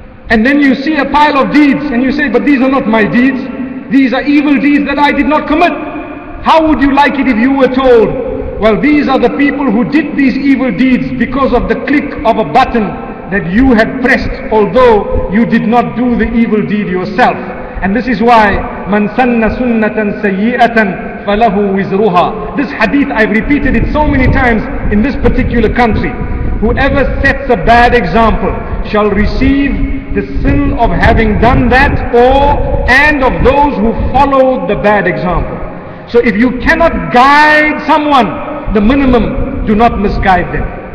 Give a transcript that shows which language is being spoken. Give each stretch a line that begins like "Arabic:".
English: And then you see a pile of deeds and you say, but these are not my deeds. These are evil deeds that I did not commit. How would you like it if you were told, well, these are the people who did these evil deeds because of the click of a button that you had pressed, although you did not do the evil deed yourself. And this is why,
Arabic: مَنْ سَنَّ سُنَّةً سَيِّئَةً فَلَهُ وِزْرُهَا.
English: This hadith, I've repeated it so many times in this particular country. Whoever sets a bad example shall receive the sin of having done that, or and of those who followed the bad example. So if you cannot guide someone, the minimum, do not misguide them.